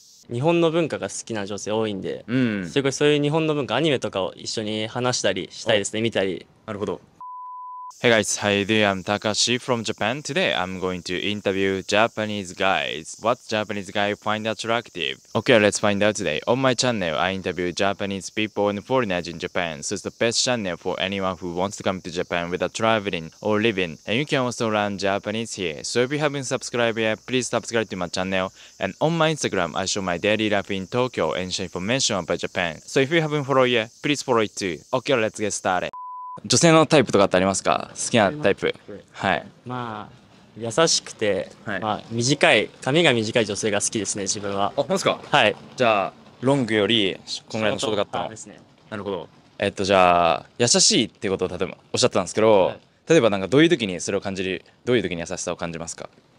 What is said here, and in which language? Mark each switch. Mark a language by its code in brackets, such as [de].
[ja] 日本の文化が好きな女性多いんで、うん、それこそそういう日本の文化アニメとかを一緒に話したりしたいですね。見たり。なるほど。 [en] Hey guys, hi there, I'm Takashi from Japan. Today I'm going to interview Japanese guys. What Japanese guy find attractive? Okay, let's find out today. On my channel, I interview Japanese people and foreigners in Japan. So it's the best channel for anyone who wants to come to Japan without traveling or living. And you can also learn Japanese here. So if you haven't subscribed yet, please subscribe to my channel. And on my Instagram, I show my daily life in Tokyo and share information about Japan. So if you haven't followed yet, please follow it too. Okay, let's get started. [ja] 女性のタイプとかってありますか？好きなタイプ。はい。まあ、優しくて、はい、まあ、短い、髪が短い女性が好きですね、自分は。あ、ほんすか？はい。じゃあ、ロングより、こんぐらいのショートカットの。ですね。なるほど。じゃあ、優しいっていうことを例えばおっしゃってたんですけど、はい、例えばなんかどういう時にそれを感じる、どういう時に優しさを感じますか？